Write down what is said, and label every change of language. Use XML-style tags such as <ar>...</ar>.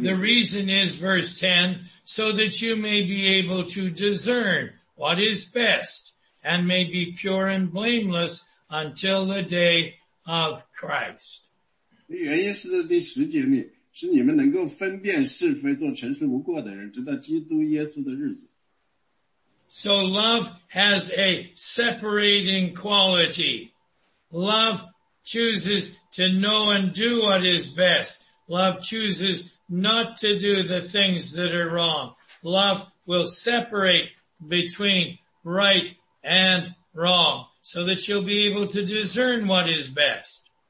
<en>the reason is verse 10, so that you may be able to discern what is best and may be pure and blameless until the day of Christ.</en> <zh>原因是在第十节里，是你们能够分辨是非，做成熟无过的人，直到基督耶稣的日子。</zh> <en>So love has a separating quality. Love chooses to know and do what is best. Love chooses not to do the things that are wrong. Love will separate between right and wrong so that you'll be able to discern what is best.</en>